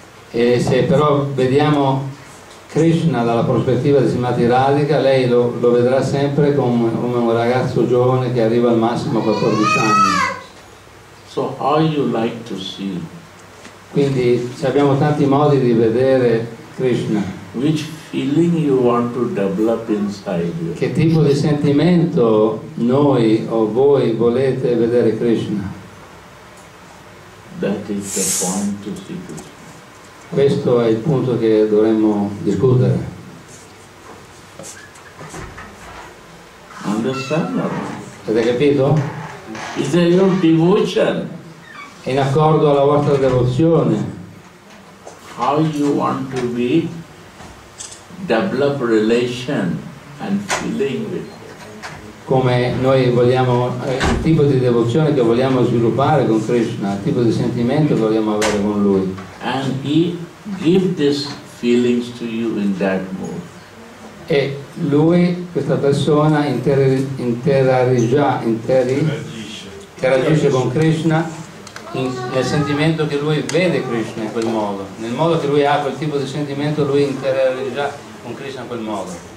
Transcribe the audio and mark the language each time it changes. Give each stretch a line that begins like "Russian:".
Italian: E se però vediamo Krishna dalla prospettiva di Srimati Radhika, lei lo vedrà sempre come un ragazzo giovane che arriva al massimo a 14 anni.
English: So how you like to see?
Italian: Quindi abbiamo tanti modi di vedere Krishna.
English: Which feeling you want to develop inside you?
Italian: Che tipo di sentimento noi o voi volete vedere Krishna?
English: That is the point to see Krishna.
Italian: Questo è il punto che dovremmo discutere.
English: Understand?
Italian: Avete capito?
English: Is there your devotion?
Italian: È in accordo alla vostra devozione.
English: How you want to be develop relation and feeling with?
Italian: Come noi vogliamo, il tipo di devozione che vogliamo sviluppare con Krishna, il tipo di sentimento che vogliamo avere con lui.
English: And he give this feelings to you in that mood.
Italian: E lui, questa persona, interagisce con Krishna nel sentimento che lui vede Krishna in quel modo. Nel modo che lui ha quel tipo di sentimento, lui interagisce con Krishna in quel modo.